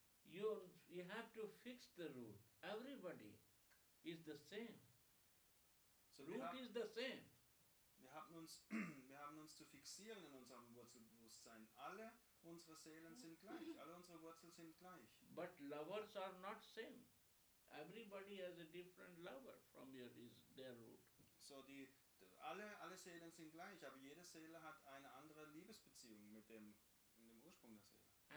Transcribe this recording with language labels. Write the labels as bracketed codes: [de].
[en] You have to fix the root. Everybody is the same. So root is the same. [de] Wir haben wir haben uns zu fixieren in unserem Wurzelbewusstsein. Alle unsere Seelen sind gleich, alle unsere Wurzeln sind gleich. [en] But lovers are not same. Everybody has a different lover from their root. [de] So alle Seelen sind gleich, aber jede Seele hat eine andere Liebesbeziehung mit dem Ursprung der Seele.